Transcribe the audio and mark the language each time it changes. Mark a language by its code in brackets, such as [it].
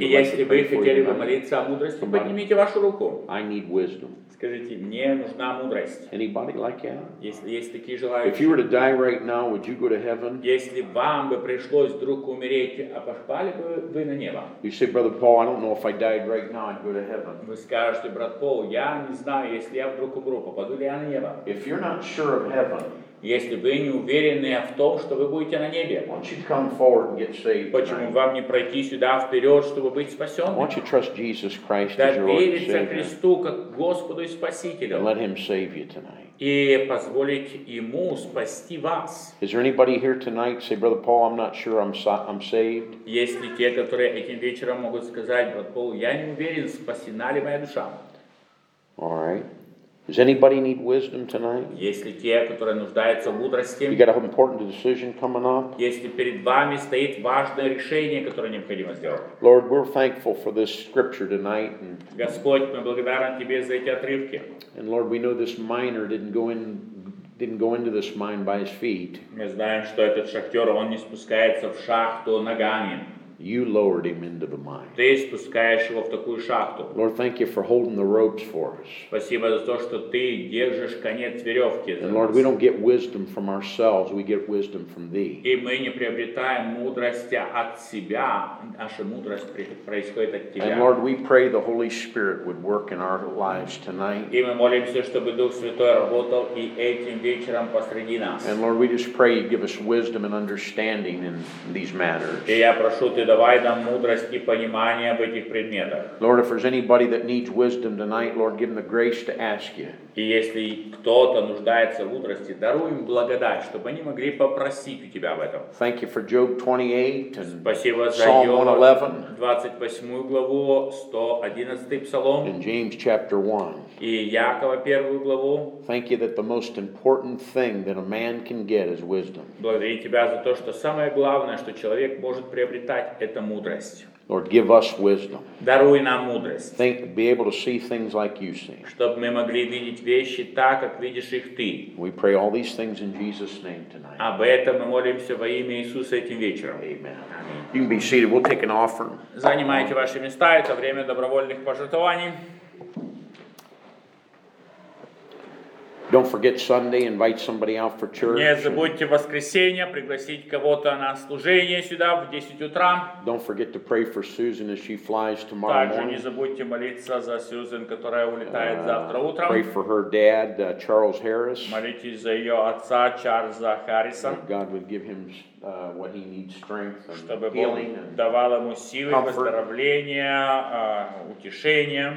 [ru] И если вы хотели бы молиться о мудрости, поднимите вашу руку. [en] I need wisdom. [ru] Скажите, мне нужна мудрость. [en] Anybody like that? [ru] Если есть такие желающие. [en] If you were to die right now, would you go to heaven? [ru] Если вам бы пришлось вдруг умереть, а попали бы вы на небо? [en] You say, Brother Paul, I don't know if I died right now, I'd go to heaven. [ru] Вы скажете, брат Пол, я не знаю, если я вдруг умру, попаду ли я на небо? [en] If you're not sure of heaven, [ru] если вы не уверены в том, что вы будете на небе, [en] why don't you come forward and get saved? [ru] Почему вам не пройти сюда вперед, чтобы быть спасенным? [en] Why don't you trust Jesus Christ as your Lord and Savior? [ru] Христу как Господу и Спасителю. [en] And let Him save you tonight. [ru] И позволить ему спасти вас. [en] Is there anybody here tonight? Say, Brother Paul, I'm not sure I'm saved. [ru] Есть ли те, которые этим вечером могут сказать, брат Пол, я не уверен, спасена ли моя душа? [en] All right. Does anybody need wisdom tonight? [ru] Есть ли те, которые нуждаются в мудрости? [en] You got an important decision coming up. [ru] Есть ли перед вами стоит важное решение, которое необходимо сделать? [en] Lord, we're thankful for this scripture tonight. And [ru] Господь, мы благодарны тебе за эти отрывки. [en] And Lord, we know this miner didn't go in didn't go into this mine by his feet. [ru] Мы знаем, что этот шахтер, он не спускается в шахту ногами. [en] You lowered him into the mine. [ru] Ты спускаешь его в такую шахту. [en] Lord, thank you for holding the ropes for us. [ru] Спасибо за то, что ты держишь конец веревки. [en] And Lord, we don't get wisdom from ourselves; we get wisdom from Thee. [ru] И мы не приобретаем мудрости от себя, наша мудрость происходит от Тебя. [en] And Lord, we pray the Holy Spirit would work in our lives tonight. [ru] И мы молимся, чтобы Дух Святой работал и этим вечером посреди нас. [en] And Lord, we just pray You give us wisdom and understanding in these matters. [ru] И я прошу Ты давай нам мудрость и понимание в этих предметах. [en] Lord, if there's anybody that needs wisdom tonight, Lord, give them the grace to ask You. [ru] И если кто-то нуждается в мудрости, даруй им благодать, чтобы они могли попросить у Тебя об этом. [en] Thank You for Job 28 and [ru] Спасибо за [en] Psalm 111. [ru] 28 главу, 111 псалом. [en] And James chapter 1. [ru] И Якова 1 главу. [en] Thank You that the most important thing that a man can get is wisdom. [ru] Благодарю Тебя за то, что самое главное, что человек может приобретать, это мудрость. [en] Lord, give us wisdom. [ru] Даруй нам мудрость. [en] Think, be able to see things like You see. [ru] Чтобы мы могли видеть вещи так, как видишь их Ты. [en] We pray all these things in Jesus' name tonight. [ru] Об этом мы молимся во имя Иисуса этим вечером. [en] Amen. You can be seated. We'll take an offering. [ru] Занимайте ваши места. Это время добровольных пожертвований. [en] Don't forget Sunday. Invite somebody out for church. [ru] Не забудьте в воскресенье пригласить кого-то на служение сюда в 10 утра. [en] Don't forget to pray for Susan as she flies tomorrow [ru] Также [en] morning. [ru] Также не забудьте молиться за Сьюзен, которая улетает завтра утром. [en] Pray for her dad, Charles Harris. [ru] Молитесь за ее отца Чарльза Харриса. [en] God would give him what he needs, strength and [ru] Чтобы [en] healing [ru] Бог давал ему силы, выздоровления, утешения.